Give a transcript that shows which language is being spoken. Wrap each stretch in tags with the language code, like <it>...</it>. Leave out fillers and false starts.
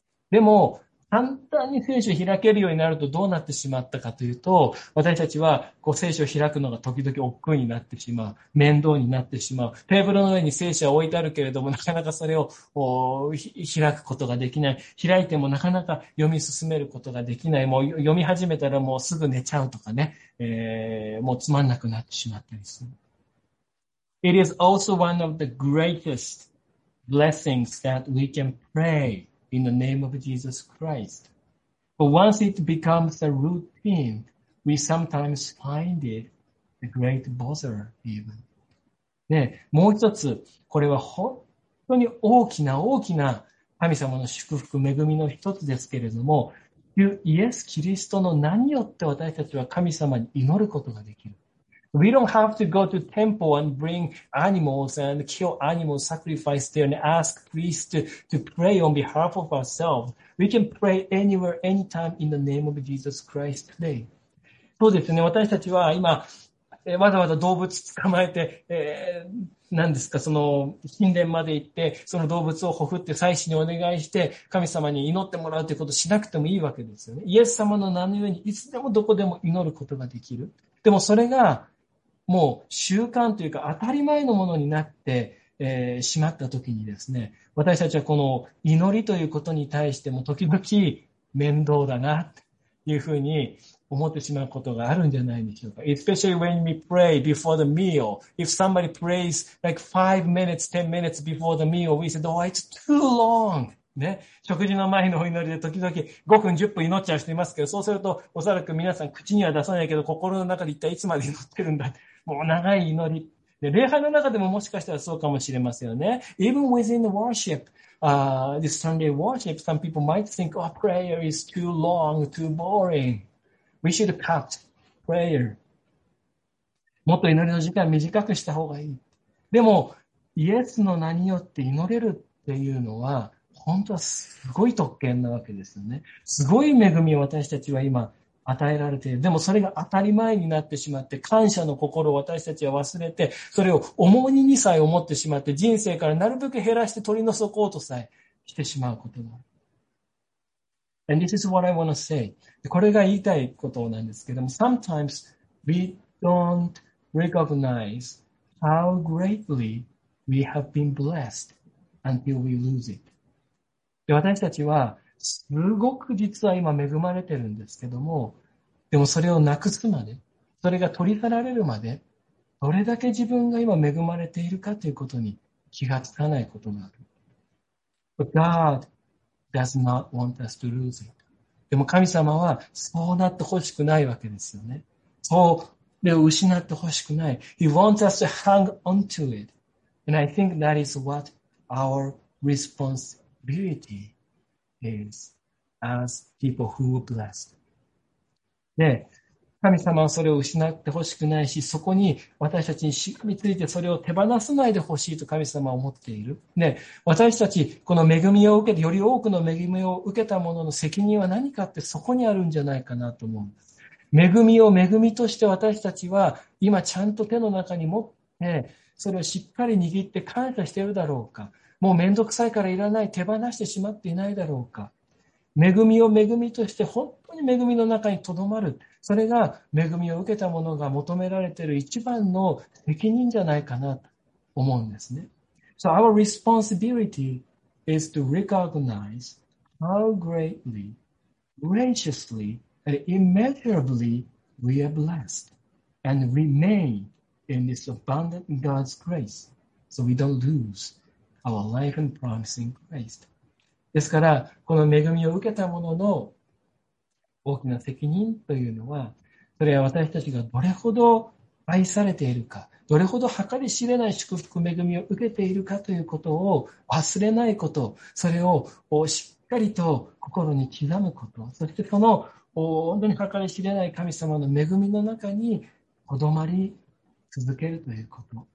<ja>でも、簡単に聖書を開けるようになるとどうなってしまったかというと、私たちはこう聖書を開くのが時々億劫になってしまう、面倒になってしまう。テーブルの上に聖書は置いてあるけれども、なかなかそれを開くことができない。開いてもなかなか読み進めることができない。もう読み始めたらもうすぐ寝ちゃうとかね、もうつまんなくなってしまったりする。</ja> <en>It is also one of the greatest blessings that we can pray. In the name of Jesus Christ. But once it becomes a routine, we sometimes find it a great bother even.</en> <ja>で、もう一つ、これは本当に大きな大きな神様の祝福、恵みの一つですけれども、イエス・キリストの名によって私たちは神様に祈ることができる。</ja> <en>We don't have to go to temple and bring animals and kill animals, sacrifice there and ask priests to pray on behalf of ourselves. We can pray anywhere, anytime in the name of Jesus Christ today.</en> <ja>そうですね。私たちは今、わざわざ動物捕まえて、何ですか、その神殿まで行って、その動物をほふって祭司にお願いして、神様に祈ってもらうということをしなくてもいいわけですよね。イエス様の名の上にいつでもどこでも祈ることができる。でもそれが、もう習慣というか当たり前のものになって、しまったときにですね、私たちはこの祈りということに対しても時々面倒だなというふうに思ってしまうことがあるんじゃないでしょうか。</ja> <en>Especially when we pray before the meal. If somebody prays like 5 minutes, 10 minutes before the meal, we said, oh, it's too long.</en> <ja>ね、食事の前のお祈りで時々5分10分祈っちゃう人いますけど、そうするとおそらく皆さん口には出さないけど心の中で一体いつまで祈ってるんだ、もう長い祈りで、礼拝の中でももしかしたらそうかもしれませんよね。</ja> <en>Even within the worship、this Sunday worship, some people might think, oh, prayer is too long, too boring. We should cut prayer.</en> <ja>もっと祈りの時間短くした方がいい。でもイエスの名によって祈れるっていうのは本当はすごい特権なわけですよね。すごい恵みを私たちは今与えられている。でもそれが当たり前になってしまって、感謝の心を私たちは忘れて、それを重荷にさえ思ってしまって、人生からなるべく減らして取り除こうとさえしてしまうことがある。</ja> <en>And this is what I want to say.</en> <ja>これが言いたいことなんですけども、</ja> <en>Sometimes we don't recognize how greatly we have been blessed until we lose it.</en> <ja>で、私たちはすごく実は今恵まれてるんですけども、でもそれをなくすまで、それが取り去られるまで、どれだけ自分が今恵まれているかということに気がつかないことがある。</ja> <en>But God does not want us to lose it.</en> <ja>でも神様はそうなってほしくないわけですよね。そう、で、失ってほしくない。</ja> <en>He wants us to hang on to it. And I think that is what our response is. Beauty is as people who are blessed.</en> <ja>で、神様はそれを失ってほしくないし、そこに私たちにしがみついてそれを手放さないでほしいと神様は思っている。で、私たちこの恵みを受けて、より多くの恵みを受けた者の責任は何かってそこにあるんじゃないかなと思うんです。恵みを恵みとして私たちは今ちゃんと手の中に持って、それをしっかり握って感謝しているだろうか。もうめんどくさいからいらない、手放してしまっていないだろうか。恵みを恵みとして本当に恵みの中にとどまる、それが恵みを受けた者が求められている一番の責任じゃないかなと思うんですね。</ja> <en>So our responsibility is to recognize how greatly, graciously and immeasurably we are blessed and remain in this abundant God's grace so we don't loseOur life and promising Christ.</en> <ja>ですから、この恵みを受けた者の大きな責任というのは、それは私たちがどれほど愛されているか、どれほど計り知れない祝福恵みを受けているかということを忘れないこと、それをしっかりと心に刻むこと、そしてその本当に計り知れない神様の恵みの中にとどまり続けるということ。</ja>